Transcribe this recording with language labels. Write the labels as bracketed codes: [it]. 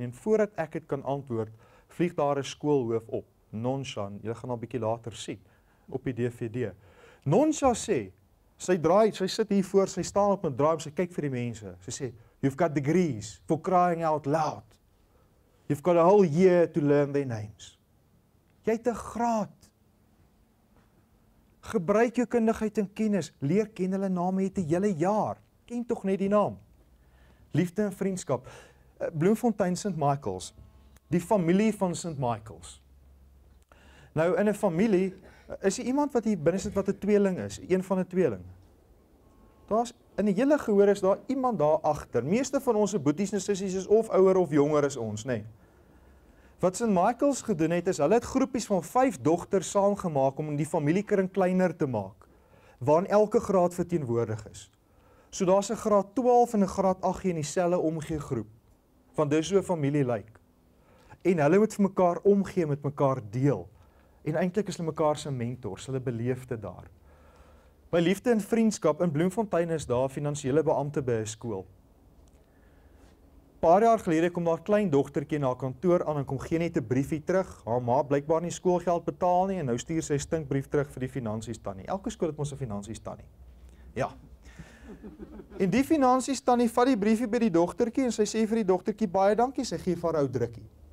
[af] En voordat ek het kan antwoord, vlieg daar 'n skoolhoof op, Nonsha, jy gaan al 'n bietjie later sien, op die DVD. Nonsha sê, sy draai, sy sit hier voor, sy staan op 'n draai, sy kyk vir die mense, sy sê, [en] you've got degrees for crying out loud. You've got a whole year to learn their names. [af] Jy het 'n graad. Gebruik jou kundigheid en kennis, leer ken hulle name, het 'n hele jaar, ken tog net die naam. Liefde en vriendskap. Bloemfontein St. Michaels, die familie van St. Michaels. Nou, in 'n familie, is hier iemand wat hier binne sit wat 'n tweeling is, een van 'n tweeling. Daar's in die hele gehoor is daar iemand daar achter. Meeste van onze boeties en sissies is of ouder of jonger as ons, nee. Wat St. Michael's gedoen het, is hulle het groepies van 5 dogters saamgemaak om die familiekring kleiner te maak, waarin elke graad verteenwoordig is. So daar is een graad 12 en een graad 8 in die selle omgegroep, want dis hoe een familie lyk. En hulle moet vir mekaar omgee, met mekaar deel. En eintlik is hulle mekaar se mentors, hulle beleefde daar. My liefde en vriendskap in Bloemfontein is daar finansiële beambte by een skool. Paar jaar gelede kom daar klein dogtertjie na kantoor aan en kom geen net 'n briefie terug. Haar ma blykbaar nie skoolgeld betaal nie en nou stuur sy stinkbrief terug vir die finansies tannie. Elke skool het mos 'n finansies tannie. Ja. En die finansies tannie vat die briefie by die dogtertjie en sy sê vir die dogtertjie baie dankie, sy gee vir haar ou drukkie.